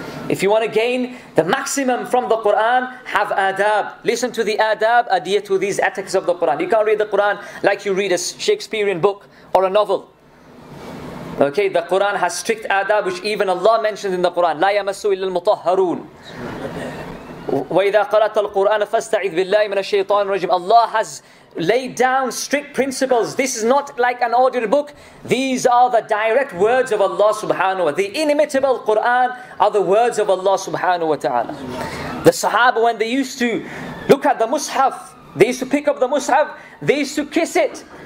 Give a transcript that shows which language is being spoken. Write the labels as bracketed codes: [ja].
[en] If you want to gain the maximum from the Quran, have adab. Listen to the adab, adhere to these etiquettes of the Quran. You can't read the Quran like you read a Shakespearean book or a novel. Okay, the Quran has strict adab, which even Allah mentions in the Quran. [ar] لا يمسوا إلا المطهرون. وإذا قرأت القرآن فاستعذ بالله من الشيطان الرجيم. [en] Allah has laid down strict principles. This is not like an ordinary book. These are the direct words of Allah subhanahu wa ta'ala. The inimitable Quran are the words of Allah subhanahu wa ta'ala. The Sahaba, when they used to look at the Mus'haf, they used to pick up the Mus'haf, they used to kiss it.